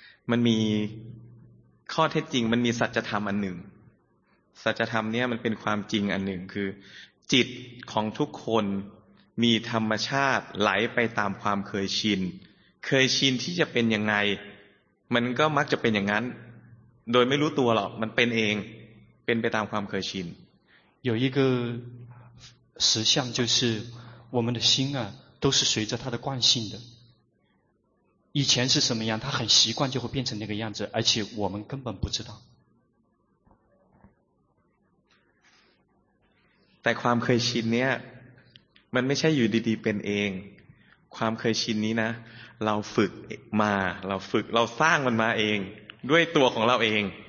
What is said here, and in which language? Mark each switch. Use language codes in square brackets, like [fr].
[th] มันมีข้อเท็จจริงมันมีสัจธรรมอันหนึ่งสัจธรรมเนี้ยมันเป็นความจริงอันหนึ่งคือจิตของทุกคนมีธรรมชาติไหลไปตามความเคยชินเคยชินที่จะเป็นยังไงมันก็มักจะเป็นอย่างนั้นโดยไม่รู้ตัวหรอกมันเป็นเองเป็นไปตามความเคยชิน [zh] 有一个实相就是我们的心啊都是随着它的惯性的以前是什么样它很习惯就会变成那个样子而且我们根本不知道 [th] แต่ความเคยชินเนี่ยมันไม่ใช่อยู่ดีๆเป็นเองความเคยชินนี้นะเราฝึกมาเราฝึกเราสร้างมันมาเองด้วยตัวของเราเอง